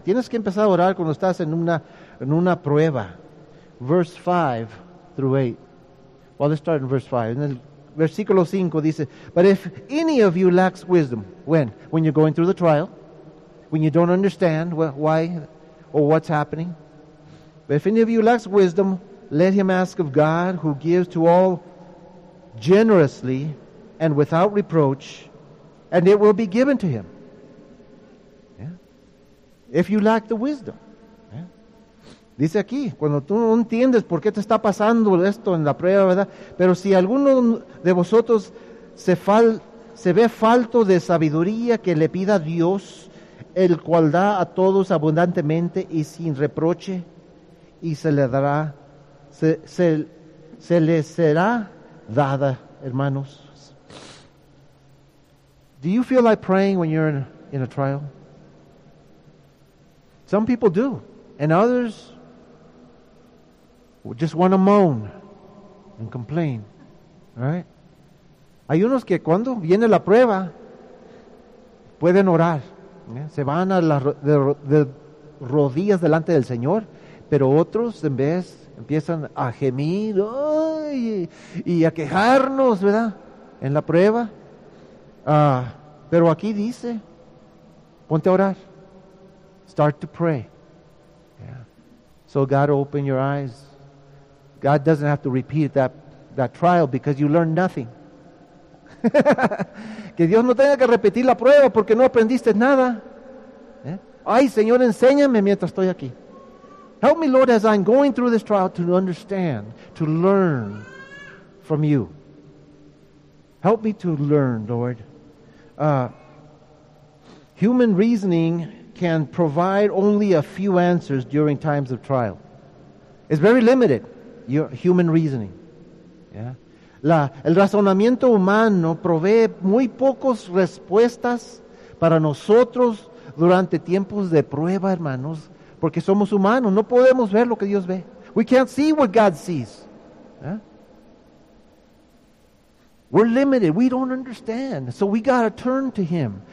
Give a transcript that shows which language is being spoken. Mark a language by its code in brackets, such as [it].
[es] Tienes que empezar a orar cuando estás en una prueba. [en] Verse 5 through 8. Well, let's start in verse 5. [es] En el versículo 5 dice, [en] but if any of you lacks wisdom, when you're going through the trial, when you don't understand why or what's happening, but if any of you lacks wisdom, let him ask of God, who gives to all generously and without reproach, and it will be given to him. If you lack the wisdom. ¿Eh? [es] Dice aquí, cuando tú no entiendes por qué te está pasando esto en la prueba, ¿verdad? Pero si alguno de vosotros se ve falto de sabiduría, que le pida a Dios, el cual da a todos abundantemente y sin reproche, y se le será dada, hermanos. [en] Do you feel like praying when you're in a trial? Some people do, and others just want to moan and complain, right? [es] Hay unos que cuando viene la prueba pueden orar, ¿eh? Se van a las de rodillas delante del Señor, pero otros en vez empiezan a gemir y a quejarnos, ¿verdad? En la prueba, pero aquí dice, ponte a orar. [en] Start to pray. Yeah. So God will open your eyes. God doesn't have to repeat that trial because you learned nothing. [es] Que Dios no tenga que repetir la prueba porque no aprendiste nada. ¿Eh? Ay, Señor, enséñame mientras estoy aquí. [en] Help me, Lord, as I'm going through this trial to understand, to learn from you. Help me to learn, Lord. Human reasoning can provide only a few answers during times of trial. It's very limited, your human reasoning. Yeah. [es] El razonamiento humano provee muy pocas respuestas para nosotros durante tiempos de prueba, hermanos, porque somos humanos, no podemos ver lo que Dios ve. [en] We can't see what God sees. Yeah. We're limited, we don't understand, so we gotta turn to Him.